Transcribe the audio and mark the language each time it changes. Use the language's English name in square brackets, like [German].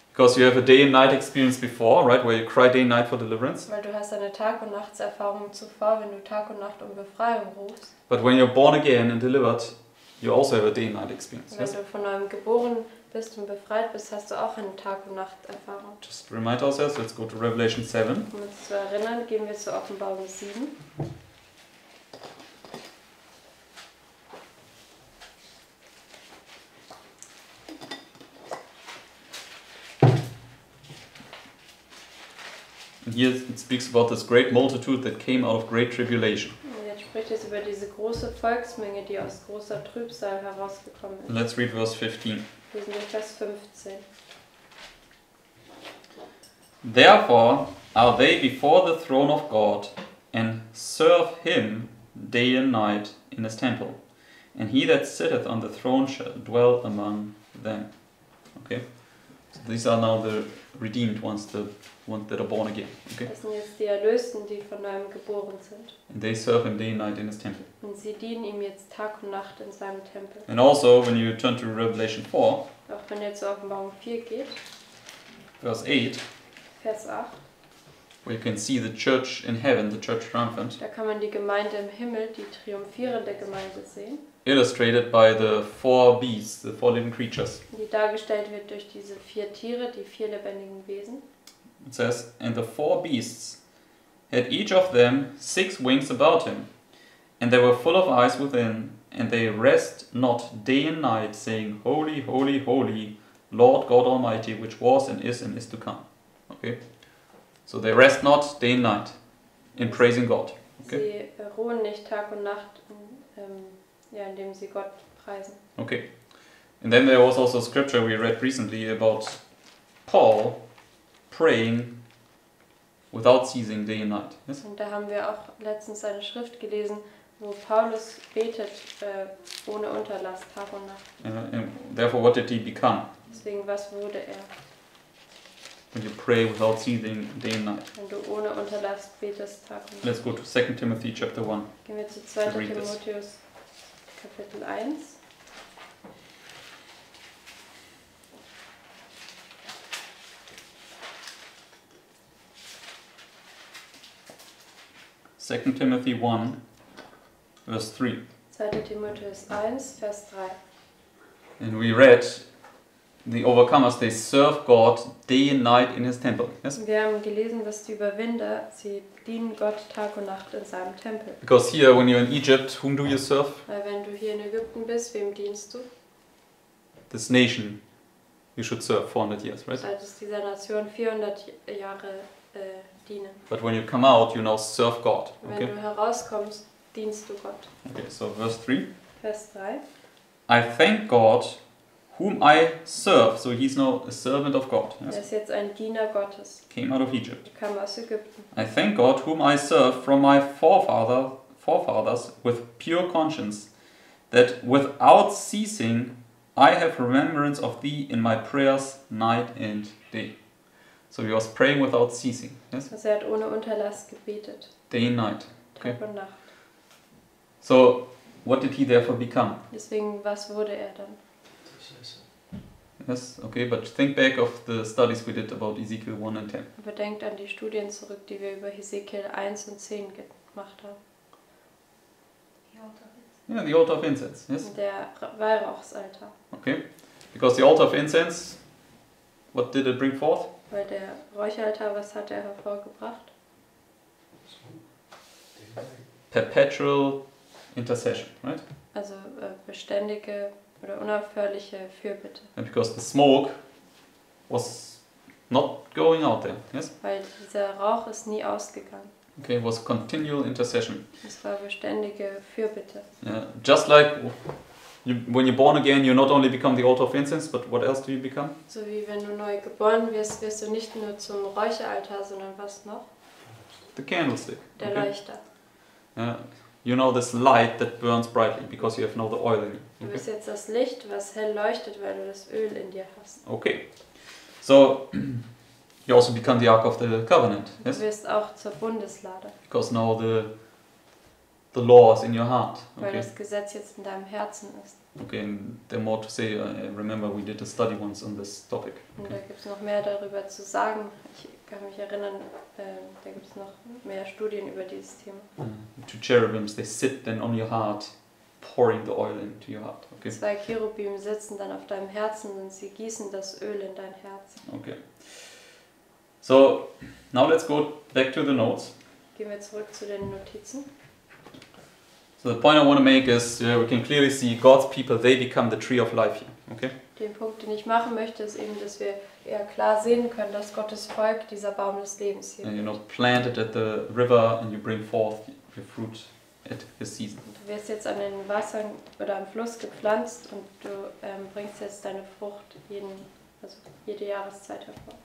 [English] Because you have a day and night experience before, right, where you cry day and night for deliverance. [German] Weil du hast eine Tag- und Nachtserfahrung zuvor, wenn du Tag und Nacht um Befreiung rufst. [English] But when you're born again and delivered, you also have a day and night experience. [German] Wenn du von neuem geboren bist und befreit bist, hast du auch eine Tag- und Nachterfahrung. [English] Just remind ourselves, let's go to Revelation 7. [German] Um uns zu erinnern, gehen wir zu Offenbarung 7. [English] And here it speaks about this great multitude that came out of great tribulation. [German] Jetzt spricht es über diese große Volksmenge, die aus großer Trübsal herausgekommen ist. [English] Let's read verse 15. [German] Wir sind in Vers 15. [English] Therefore are they before the throne of God and serve him day and night in his temple. And he that sitteth on the throne shall dwell among them. Okay? So these are now the redeemed ones, the ones that are born again. Okay? [German] Das sind jetzt die Erlösten, die von neuem geboren sind. [English] And they serve him day and night in his temple. [German] Und sie dienen ihm jetzt Tag und Nacht in seinem Tempel. [English] And also, when you turn to Revelation 4, [German] auch wenn ihr zu Offenbarung 4 geht, Vers 8, Vers 8, [English] where you can see the church in heaven, the church triumphant, [German] da kann man die Gemeinde im Himmel, die triumphierende Gemeinde sehen, [English] illustrated by the four beasts, the four living creatures. [German] Die dargestellt wird durch diese vier Tiere, die vier lebendigen Wesen. [English] It says, and the four beasts had each of them six wings about him, and they were full of eyes within, and they rest not day and night, saying, Holy, holy, holy, Lord God Almighty, which was and is to come. Okay? So they rest not day and night in praising God. Okay? [German] Sie ruhen nicht Tag und Nacht, ja, indem sie Gott preisen. [English] Okay. And then there was also a scripture we read recently about Paul praying without ceasing day and night. Yes? [German] Und da haben wir auch letztens eine Schrift gelesen, wo Paulus betet ohne Unterlass, Tag und Nacht. [English] And therefore, what did he become? [German] Deswegen, was wurde er? [English] When you pray without ceasing day and night. [German] Wenn du ohne Unterlass betest, Tag und Nacht. [English] Let's go to 2 Timothy chapter 1. [German] Gehen wir zu 2. Timotheus Kapitel 1. [English] Second Timothy 1, verse 3. [German] 2. Timotheus 1, Vers 3. [English] And we read, the overcomers, they serve God day and night in his temple. Yes? [German] Wir haben gelesen, dass die Überwinder, sie dienen Gott Tag und Nacht in seinem Tempel. [English] Because here, when you're in Egypt, whom do you serve? [German] Weil wenn du hier in Ägypten bist, wem dienst du? [English] This nation you should serve 400 years, right? [German] Also ist dieser Nation 400 Jahre dienen. [English] But when you come out, you now serve God. [German] Wenn [English] okay? [German] du herauskommst, dienst du Gott. [English] Okay, so verse 3. [German] Vers 3. [English] I thank God whom I serve. So he's now a servant of God. Yes? [German] Er ist jetzt ein Diener Gottes. [English] Came out of Egypt. [German] Er kam aus Ägypten. [English] I thank God whom I serve from my forefathers with pure conscience, that without ceasing I have remembrance of thee in my prayers night and day. So he was praying without ceasing. Yes? [German] Also er hat ohne Unterlass gebetet. [English] Day and night. [German] Okay. Tag und Nacht. [English] So what did he therefore become? [German] Deswegen, was wurde er dann? [English] Yes, okay, but think back of the studies we did about Ezekiel 1 and 10. [German] Aber denkt an die Studien zurück, die wir über Ezekiel 1 und 10 gemacht haben. [English] The altar. Yeah, the altar of incense, yes. [German] Der Weihrauchsaltar. [English] Okay, because the altar of incense, what did it bring forth? [German] Weil der Räucheraltar, was hat er hervorgebracht? [English] Perpetual intercession, right? [German] Also beständige oder unaufhörliche Fürbitte. [English] And because the smoke was not going out there, yes? [German] Weil dieser Rauch ist nie ausgegangen. [English] Okay, it was continual intercession. [German] Es war beständige Fürbitte. [English] Yeah, just like you, when you're born again, you not only become the altar of incense, but what else do you become? [German] So wie wenn du neu geboren wirst, wirst du nicht nur zum Räucheraltar, sondern was noch? [English] The candlestick. [German] Der okay. Leuchter. [English] Yeah. You know this light that burns brightly because you have now the oil in you. Okay. [German] Du bist jetzt das Licht, was hell leuchtet, weil du das Öl in dir hast. [English] Okay. So, you also become the Ark of the Covenant. Yes? [German] Du wirst auch zur Bundeslade. [English] Because now the law is in your heart. [German] Weil okay. das Gesetz jetzt in deinem Herzen ist. [English] Okay, and there are more to say. I remember we did a study once on this topic. Okay. [German] Da gibt's noch mehr darüber zu sagen. Ich kann mich erinnern, da gibt's noch mehr Studien über dieses Thema. [English] Two cherubims, they sit then on your heart, pouring the oil into your heart. Okay. [German] Zwei Cherubim sitzen dann auf deinem Herzen und sie gießen das Öl in dein Herz. [English] Okay. So, now let's go back to the notes. [German] Gehen wir zurück zu den Notizen. [English] So the point I want to make is, yeah, we can clearly see God's people, they become the tree of life here, okay? [German] Den Punkt, den ich machen möchte, ist eben, dass wir eher klar sehen können, dass Gottes Volk dieser Baum des Lebens hier ist. [English] You know, planted at the river and you bring forth your fruit at the season. [German] Du wirst jetzt an den Wassern oder am Fluss gepflanzt und du bringst jetzt deine Frucht jede Jahreszeit hervor.